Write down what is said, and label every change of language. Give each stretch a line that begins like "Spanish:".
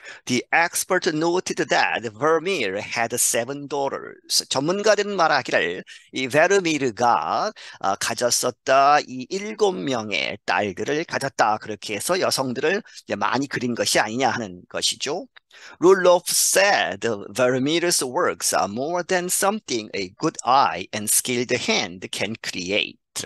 English: The expert noted that Vermeer had seven daughters.
Korean: 전문가들은 말하기를 이 베르미르가 가졌었다, 이 일곱 명의 딸들을 가졌다, 그렇게 해서 여성들을 많이 그린 것이 아니냐 하는 것이죠.
English: Rulof said Vermeer's works are more than something a good eye and skilled hand can create.